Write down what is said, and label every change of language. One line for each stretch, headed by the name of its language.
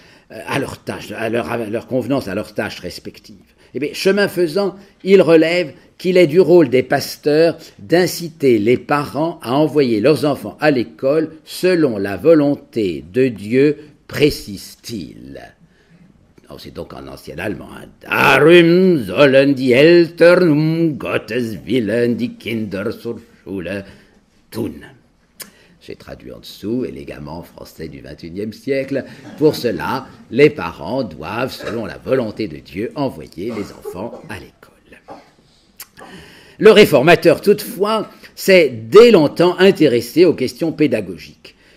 French: à leur tâche, à leur convenance, à leurs tâches respectives. Eh bien, chemin faisant, il relève qu'il est du rôle des pasteurs d'inciter les parents à envoyer leurs enfants à l'école selon la volonté de Dieu, précise-t-il. Oh, c'est donc en ancien allemand. Hein.
German: Darum sollen die Eltern um Gottes willen die Kinder zur Schule tun.
French: J'ai traduit en dessous, élégamment français du XXIe siècle. Pour cela, les parents doivent, selon la volonté de Dieu, envoyer les enfants à l'école. Le réformateur, toutefois, s'est dès longtemps intéressé aux questions pédagogiques.